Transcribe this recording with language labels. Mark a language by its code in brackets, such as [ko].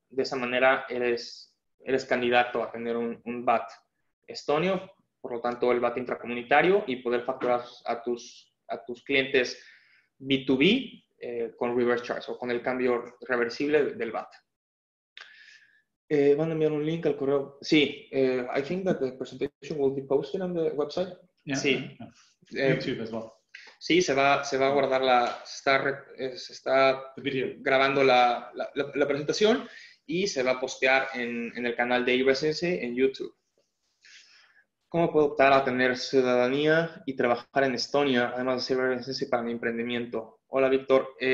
[es] De esa manera eres candidato a tener un VAT estonio, por lo tanto el VAT intracomunitario, y poder facturar a tus clientes B2B con reverse charge o con el cambio reversible del VAT. ¿Van a enviar un link al correo? Sí, [en] I think that the presentation will be posted on the website. Yeah, [es] sí. [en] Yeah. YouTube as well. [es] Sí, se va a guardar se está grabando la presentación y se va a postear en el canal de eResidency en YouTube. ¿Cómo puedo optar a tener ciudadanía y trabajar en Estonia, además de ser eResidency para mi emprendimiento? Hola, Víctor.